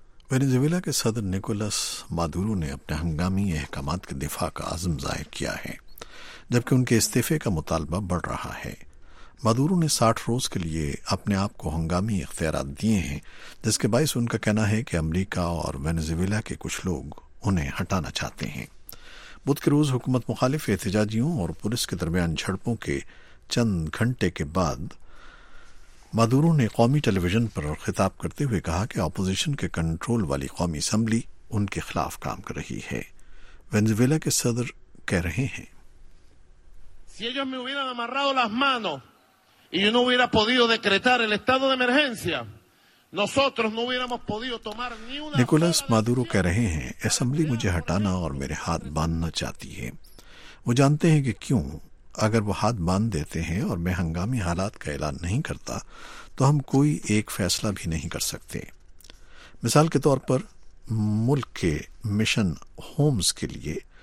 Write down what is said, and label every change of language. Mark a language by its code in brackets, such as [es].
[ur] Venezuela کے صدر Nicolas Maduro نے اپنے ہنگامی احکامات کے دفاع کا عزم ظاہر کیا ہے جبکہ ان کے استعفے کا مطالبہ بڑھ رہا ہے۔ مادورو نے 60 روز کے لیے اپنے آپ کو ہنگامی اختیارات دیے ہیں جس کے باعث ان کا کہنا ہے کہ امریکہ اور وینزویلا کے کچھ لوگ انہیں ہٹانا چاہتے ہیں۔ بدھ کے روز حکومت مخالف احتجاجیوں اور پولیس کے درمیان جھڑپوں کے چند گھنٹے کے بعد مادورو نے قومی ٹیلی ویژن پر خطاب کرتے ہوئے کہا کہ اپوزیشن کے کنٹرول والی قومی اسمبلی ان کے خلاف کام کر رہی ہے۔ وینزویلا کے صدر کہہ رہے ہیں، [es] si ellos me hubieran amarrado las manos y yo no hubiera podido decretar el estado de emergencia, nosotros no hubiéramos podido tomar ni una... [ur] Nicolas Maduro کہہ رہے ہیں، اسمبلی مجھے ہٹانا اور میرے ہاتھ باندھنا چاہتی ہے۔ وہ جانتے ہیں کہ کیوں، اگر وہ ہاتھ باندھ دیتے ہیں اور میں ہنگامی حالات کا اعلان نہیں کرتا تو ہم کوئی ایک فیصلہ بھی نہیں کر سکتے۔ مثال کے طور پر ملک کے مشن ہومز کے لیے